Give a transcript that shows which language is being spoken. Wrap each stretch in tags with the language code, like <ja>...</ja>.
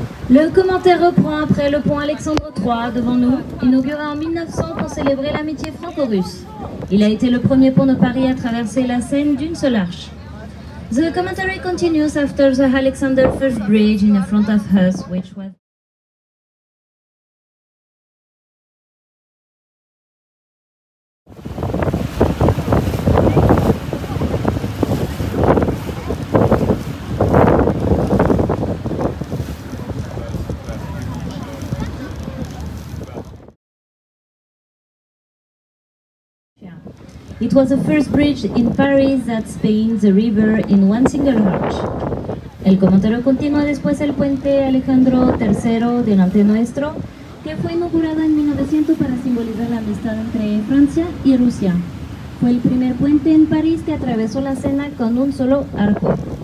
<fr>Le commentaire reprend après le pont Alexandre III devant nous, inauguré en 1900 pour célébrer l'amitié franco-russe. Il a été le premier pont de Paris à traverser la Seine d'une seule arche.</fr> <en>The commentary continues after the Alexander I bridge in the front of us, which was... It was the first bridge in Paris that spans the river in one single arch.</en> <es>El comentario continúa después el puente Alejandro III delante nuestro, que fue inaugurado en 1900 para simbolizar la amistad entre Francia y Rusia. Fue el primer puente en París que atravesó la Sena con un solo arco.</es>